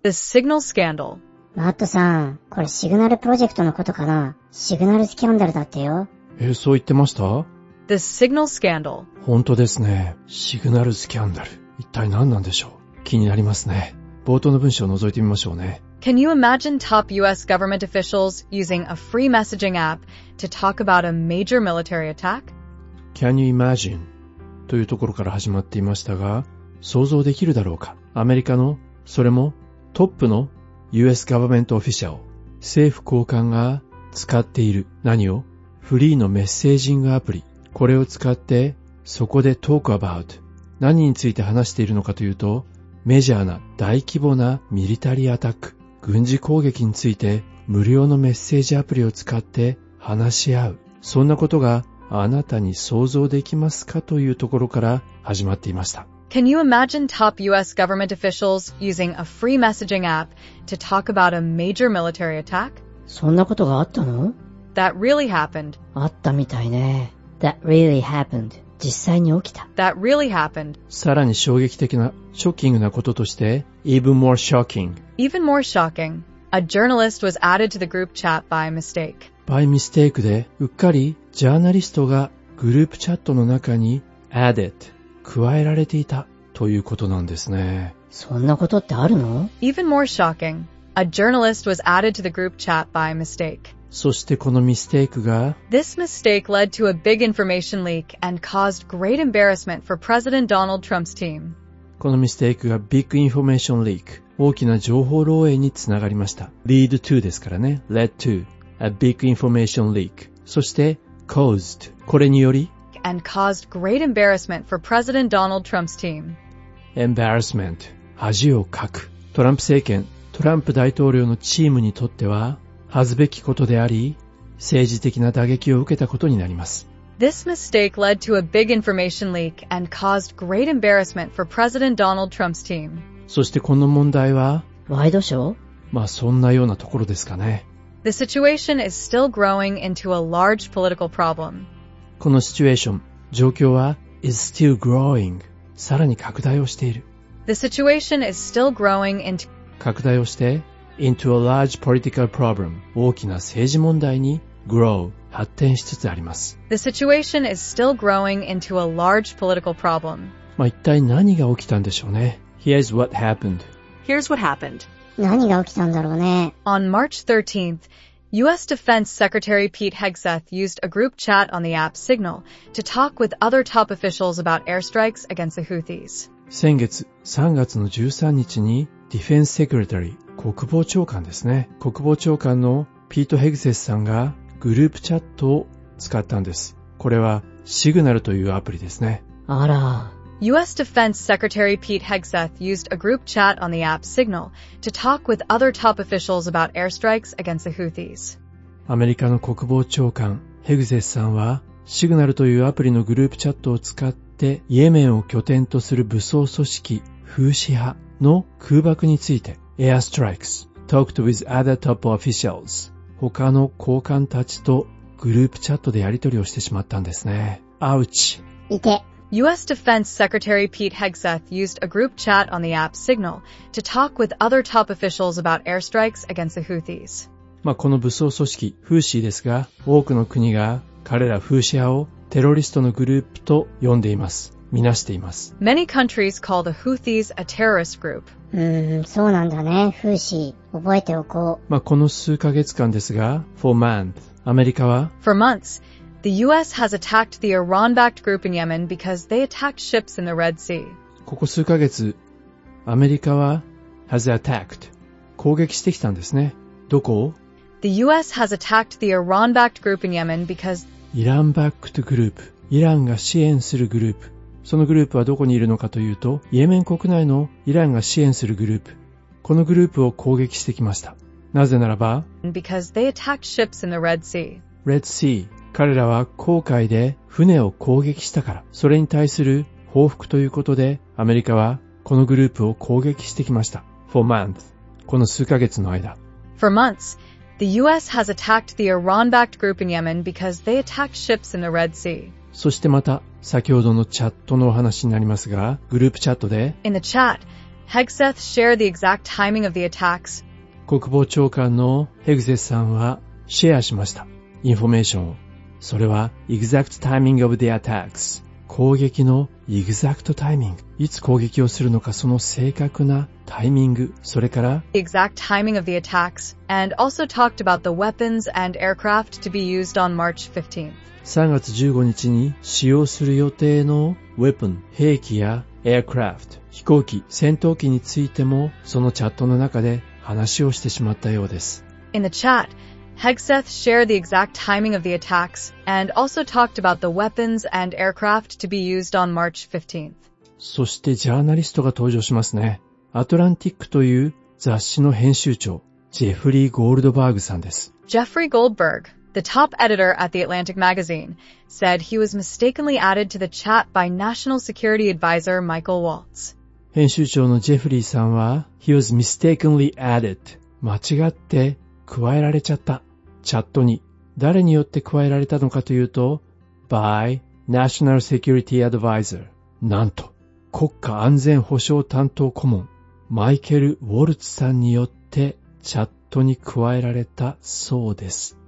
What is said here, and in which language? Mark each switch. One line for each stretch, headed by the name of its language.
English: The Signal Scandal。
Japanese: マットさん、これシグナルプロジェクトのことかな？シグナルスキャンダルだってよ。そう言ってました？
English: The Signal Scandal。
Japanese: 本当ですね。シグナルスキャンダル。一体何なんでしょう？気になりますね。冒頭の文章を覗いてみましょうね。
English: Can you imagine top US government officials using a free messaging app to talk about a major military attack? Can you imagine?
Japanese: というところから始まっていましたが、想像できるだろうか。アメリカの、それもトップの
English: US Government Official、
Japanese: 政府高官が使っている、何を、フリーのメッセージングアプリ、これを使ってそこで
English: talk about、
Japanese: 何について話しているのかというと、メジャーな大規模なミリタリーアタック、軍事攻撃について、無料のメッセージアプリを使って話し合う、そんなことがあなたに想像できますか、というところから始まっていました。
English: Can you imagine top US government officials using a free messaging app to talk about a major military attack?
Japanese: そんなことがあったの?
English: That really happened.
Japanese: あったみたいね。
English: That really happened.
Japanese: 実際に起きた。
English: That really happened. さらに衝撃的な、ショッキングなこととして、 Even more shocking. Even more shocking. A journalist was added to the group chat by mistake. By mistake
Japanese: で、うっかりジャーナリストがグループチャットの中に added、加えられていたということなんですね。そんなことってあるの?
English: Even more shocking. A journalist was added to the group chat by mistake.
Japanese: そしてこのミステークが、
English: This mistake led to a big information leak and caused great embarrassment for President Donald Trump's team.
Japanese: このミステークが
English: big information leak、
Japanese: 大きな情報漏洩につながりました。
English: Lead to
Japanese: ですからね。
English: Led to a big information leak。
Japanese: そして
English: caused、
Japanese: これにより
English: And caused great embarrassment for President Donald Trump's team.
Japanese: Embarrassment. 恥をかく。トランプ政権、トランプ大統領のチームにとっては、恥ずべきことであり、政治的な打撃を受けたことになります。
English: This mistake led to a big information leak and caused great embarrassment for President Donald Trump's team.
Japanese: そしてこの問題は、ワイドショー？まあそんなようなところですかね。
English: The situation is still growing into a large political problem.
Japanese: このシチュエーション、状況は、
English: is still growing、
Japanese: さらに拡大をしている。
English: The situation is still growing into
Japanese: 拡大をして、
English: into a large political problem、
Japanese: 大きな政治問題に grow、発展しつつあります。
English: The situation is still growing into a large political problem.
Japanese: まあ一体何が起きたんでしょうね。
English: Here's what happened. Here's what happened.
Japanese: 何が起きたんだろうね。
English: On March 13th, U.S. Defense Secretary Pete Hegseth used a group chat on the app Signal to talk with other top officials about airstrikes against the Houthis.
Japanese: 先月3月の13日に、Defense Secretary 国防長官ですね。国防長官のピート・ヘグセスさんがグループチャットを使ったんです。これは Signal というアプリですね。あら。
English: U.S. Defense Secretary Pete Hegseth used a group chat on the app Signal to talk with other top officials about airstrikes against the Houthis.
Japanese: アメリカの国防長官ヘグセスさんは、Signal というアプリのグループチャットを使って、イエメンを拠点とする武装組織フーシ派の空爆について、
English: airstrikes, talked with other top officials.
Japanese: 他の高官たちとグループチャットでやり取りをしてしまったんですね。アウチ。いて。
English: U.S. Defense Secretary Pete Hegseth used a group chat on the app Signal to talk with other top officials about airstrikes against the Houthis.
Japanese: まあこの武装組織フーシーですが、多くの国が彼らフーシ派をテロリストのグループと呼んでいます。みなしています。
English: Many countries call the Houthis a terrorist group.
Japanese: そうなんだね、フーシー。覚えておこう。まあこの数ヶ月間ですが、
English: for months,
Japanese: アメリカは
English: for months,The U.S. has attacked the Iran-backed group in Yemen because they attacked ships in the Red Sea.
Japanese: ここ数ヶ月、アメリカは
English: has attacked
Japanese: 攻撃してきたんですね。どこを
English: ?The U.S. has attacked the Iran-backed group in Yemen because
Japanese: イラン backed グループ、イランが支援するグループ。そのグループはどこにいるのかというと、イエメン国内のイランが支援するグループ。このグループを攻撃してきました。なぜならば
English: Because they attacked ships in the Red Sea. Red Sea.
Japanese: 彼らは航海で船を攻撃したから、それに対する報復ということで、アメリカはこのグループを攻撃してきました。
English: For months,
Japanese: この数ヶ月の間。
English: For months, the U.S. has attacked the Iran-backed group in Yemen because they attacked ships in the Red Sea.
Japanese: そしてまた、先ほどのチャットのお話になりますが、グループチャットで、
English: In the chat, Hegseth shared the exact timing of the attacks.
Japanese: 国防長官のヘグゼスさんはシェアしました。インフォメーションを。それは
English: exact timing of the attacks
Japanese: 攻撃の exact timing いつ攻撃をするのかその正確なタイミングそれから
English: exact timing of the attacks and also talked about the weapons and aircraft to be used on March 15th
Japanese: 3月15日に使用する予定の weapon 兵器や aircraft 飛行機戦闘機についてもそのチャットの中で話をしてしまったようです
English: in the chatHegseth shared the exact timing of the attacks and also talked about the weapons and aircraft to be used on March 15th.
Japanese: そしてジャーナリストが登場しますね。アトランティックという雑誌の編集長、ジェフリー・ゴールドバーグさんです。
English: Jeffrey Goldberg, the top editor at the Atlantic magazine, said he was mistakenly added to the chat by National Security Advisor Michael Waltz.
Japanese: 編集長のジェフリーさんは、
English: He was mistakenly added.
Japanese: 間違って、加えられちゃった。チャットに。誰によって加えられたのかというと、
English: by National Security Advisor。
Japanese: なんと、国家安全保障担当顧問、マイケル・ウォルツさんによってチャットに加えられたそうです。